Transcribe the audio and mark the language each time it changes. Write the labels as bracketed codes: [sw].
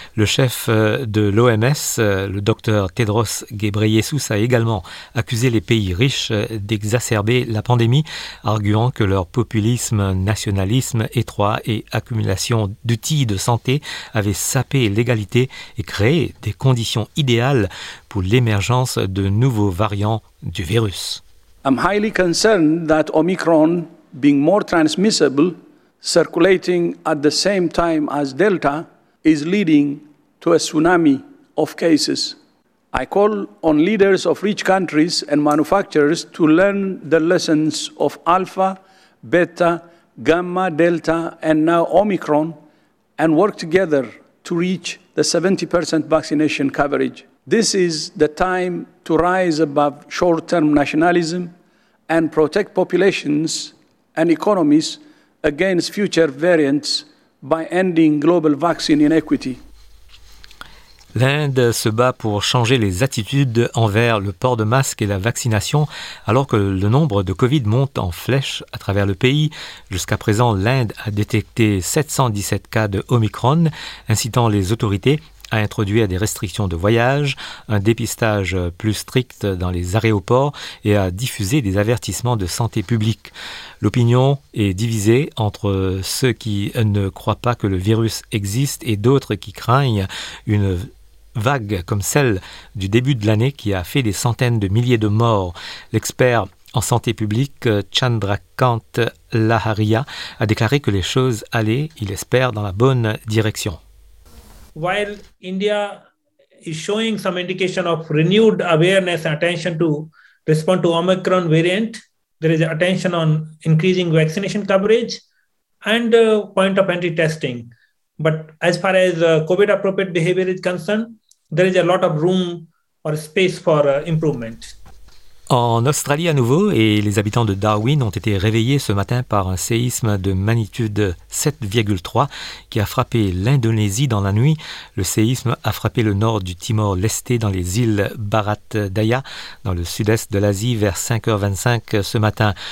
[fr] Le chef de l'OMS, le docteur Tedros Ghebreyesus, a également accusé les pays riches d'exacerber la pandémie, arguant que leur populisme, nationalisme étroit et accumulation d'outils de santé avaient sapé l'égalité et créé des conditions idéales pour l'émergence de nouveaux variants du virus. [en] I'm highly concerned that Omicron, being more transmissible, circulating at the same time as Delta, is leading to a tsunami of cases. I call on leaders of rich countries and manufacturers to learn the lessons of Alpha, Beta, Gamma, Delta, and now Omicron, and work together to reach the 70% vaccination coverage. This is the time to rise above short-term nationalism and protect populations and economies against future variants by ending global vaccine inequity. [fr] L'Inde se bat pour changer les attitudes envers le port de masque et la vaccination alors que le nombre de Covid monte en flèche à travers le pays. Jusqu'à présent, l'Inde a détecté 717 cas de Omicron, incitant les autorités à introduire des restrictions de voyage, un dépistage plus strict dans les aéroports et à diffuser des avertissements de santé publique. L'opinion est divisée entre ceux qui ne croient pas que le virus existe et d'autres qui craignent une vague comme celle du début de l'année qui a fait des centaines de milliers de morts. L'expert en santé publique Chandrakant Laharia a déclaré que les choses allaient, il espère, dans la bonne direction. [en] While India is showing some indication of renewed awareness and attention to respond to Omicron variant, there is attention on increasing vaccination coverage and point of entry testing. But as far as COVID appropriate behavior is concerned, there is a lot of room or space for improvement. [fr] En Australie à nouveau, et les habitants de Darwin ont été réveillés ce matin par un séisme de magnitude 7,3 qui a frappé l'Indonésie dans la nuit. Le séisme a frappé le nord du Timor-Leste dans les îles Barat Daya, dans le sud-est de l'Asie, vers 5h25 ce matin.